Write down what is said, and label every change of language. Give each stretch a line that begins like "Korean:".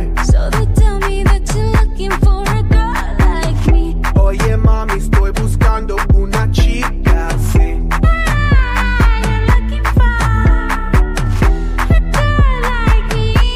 English: So they tell me that you're looking for a girl like me.
Spanish: Oye mami, estoy buscando una chica así.
English: I am looking for a girl like me.